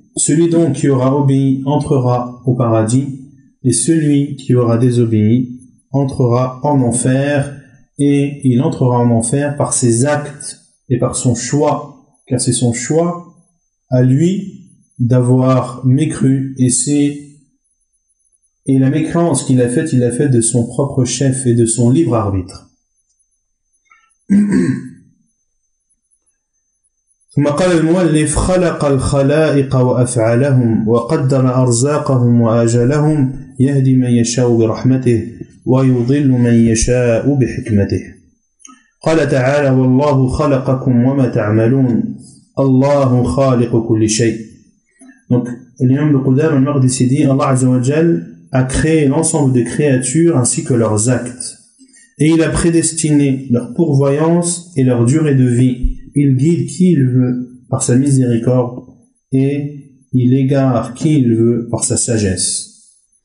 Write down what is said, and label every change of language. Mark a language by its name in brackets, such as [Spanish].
[French] Celui donc qui aura obéi entrera au paradis, et celui qui aura désobéi entrera en enfer, et il entrera en enfer par ses actes et par son choix, car c'est son choix à lui d'avoir mécru, et c'est et la mécréance qu'il a faite, il l'a faite de son propre chef et de son libre arbitre. [Arabic] ثم قال المؤلف خلق الخلائق وأفعالهم وقدر أرزاقهم وأجلهم يهدي من يشاء برحمته ويضل من يشاء بحكمته قال تعالى والله خلقكم وما تعملون الله خالق كل شيء. [French] Donc l'imam de Qudam al-Maqdisi dit Allah Azza wa Jal a créé l'ensemble des créatures ainsi que leurs actes, et il a prédestiné leur pourvoyance et leur durée de vie. Il guide qui il veut par sa miséricorde et il égare qui il veut par sa sagesse.